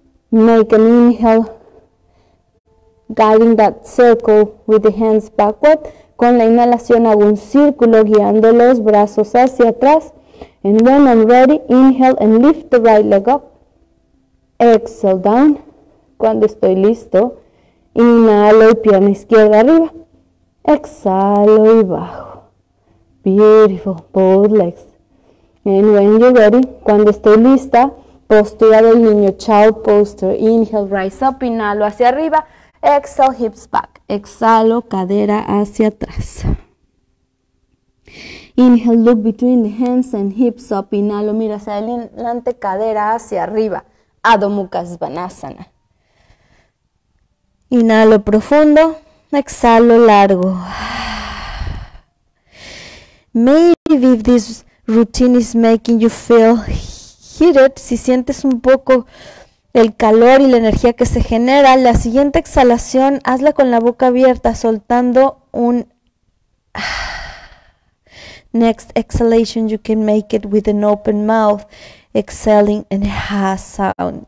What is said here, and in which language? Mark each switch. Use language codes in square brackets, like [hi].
[en] Make an inhale, guiding that circle with the hands backward. [es] Con la inhalación hago un círculo guiando los brazos hacia atrás. [en] And when I'm ready, inhale and lift the right leg up. Exhale down. [es] Cuando estoy listo, inhalo y pierna izquierda arriba. Exhalo y bajo. [en] Beautiful, both legs. And when you're ready, [es] cuando estoy lista, postura del niño, [en] child posture. Inhale, rise up, [es] inhalo hacia arriba, [en] exhale, hips back. [es] Exhalo, cadera hacia atrás. [en] Inhale, look between the hands and hips up, [es] inhalo, mira hacia adelante, cadera hacia arriba. [sa] Adho Mukha Svanasana. [es] Inhalo profundo, exhalo largo. [en] Maybe if this routine is making you feel heated. [es] Si sientes un poco el calor y la energía que se genera, la siguiente exhalación hazla con la boca abierta, soltando un [en] Next exhalation, you can make it with an open mouth, exhaling and ha sound.